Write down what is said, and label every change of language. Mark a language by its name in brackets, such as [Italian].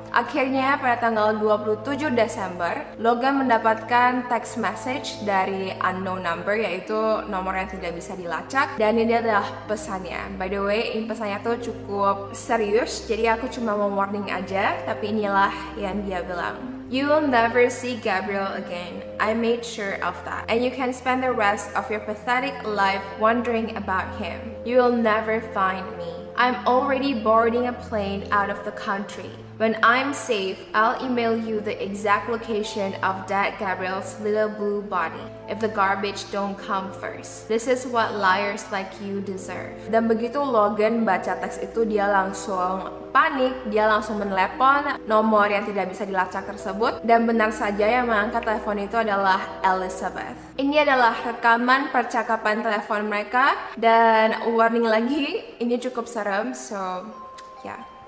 [Indonesian] Akhirnya pada tanggal 27 Desember, Logan mendapatkan [English] text message dari unknown number, [Indonesian] yaitu nomor yang tidak bisa dilacak. Dan ini adalah pesannya. [English] By the way, [Indonesian] ini pesannya tuh cukup serius, jadi aku cuma mau warning aja, tapi inilah yang dia bilang. [English] "You will never see Gabriel again. I made sure of that. And you can spend the rest of your pathetic life wondering about him. You will never find me. I'm already boarding a plane out of the country. When I'm safe, I'll email you the exact location of dead Gabriel's little blue body, if the garbage don't come first. This is what liars like you deserve." [Indonesian] Dan begitu Logan baca teks itu, dia langsung panik, dia langsung menelepon nomor yang tidak bisa dilacak tersebut. Dan benar saja yang mengangkat telepon itu adalah Elizabeth. Ini adalah rekaman percakapan telepon mereka. Dan warning lagi, ini cukup serem, [English] so yeah.